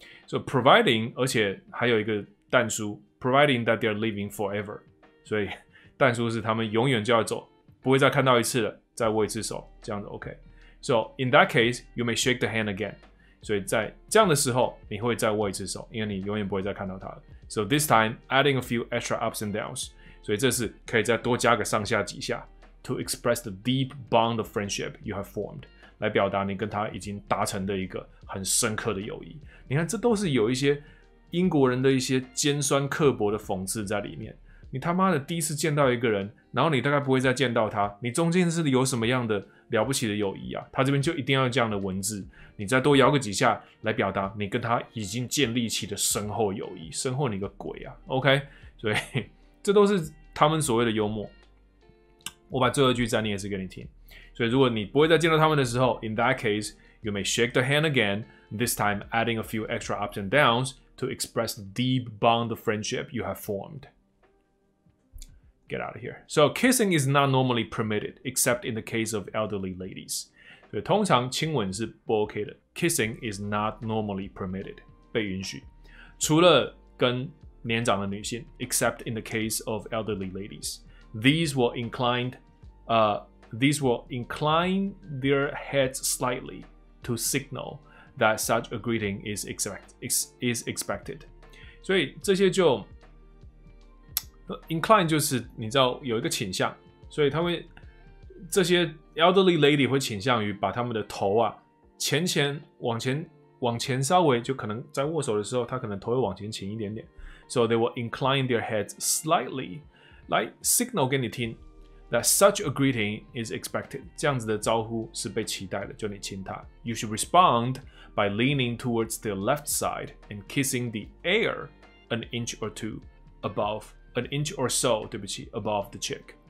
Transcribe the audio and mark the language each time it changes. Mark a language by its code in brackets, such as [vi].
[en] So providing， [zh] 而且还有一个但书 ， [en] providing that they're leaving forever， [zh] 所以但书是他们永远就要走，不会再看到一次了，再握一次手，这样子 OK。 [en] So in that case， you may shake the hand again。 [zh] 所以在这样的时候，你会再握一次手，因为你永远不会再看到他了。 [en] So this time, adding a few extra ups and downs. [zh] 所以这是可以再多加个上下几下 ， [en] to express the deep bond of friendship you have formed， [zh] 来表达你跟他已经达成的一个很深刻的友谊。你看，这都是有一些英国人的一些尖酸刻薄的讽刺在里面。你他妈的第一次见到一个人，然后你大概不会再见到他，你中间是有什么样的了不起的友谊啊？他这边就一定要用这样的文字，你再多摇个几下来表达你跟他已经建立起的深厚友谊，深厚你个鬼啊 ！OK， 所以这都是他们所谓的幽默。我把最后一句再念一次给你听。所以如果你不会再见到他们的时候 ， [en] In that case, you may shake the hand again. This time, adding a few extra ups and downs to express the deep bond of friendship you have formed. Get out of here. So kissing is not normally permitted, except in the case of elderly ladies. [zh] 所以通常亲吻是不 OK 的。 [en] Kissing is not normally permitted, [zh] 被允许，除了跟年长的女性。 [en] Except in the case of elderly ladies, these will incline their heads slightly to signal that such a greeting is expected. [zh] 所以这些就 incline 就是你知道有一个倾向，所以他们这些 elderly lady 会倾向于把他们的头啊前往前稍微就可能在握手的时候，他可能头会往前倾一点点。 [en] So they will incline their heads slightly, like signal [zh] 给你听 [en] that such a greeting is expected. [zh] 这样子的招呼是被期待的，就你亲他。 [en] You should respond by leaning towards the left side and kissing the air an inch or two above, an inch or so, [zh] 对不起 [en] above the cheek.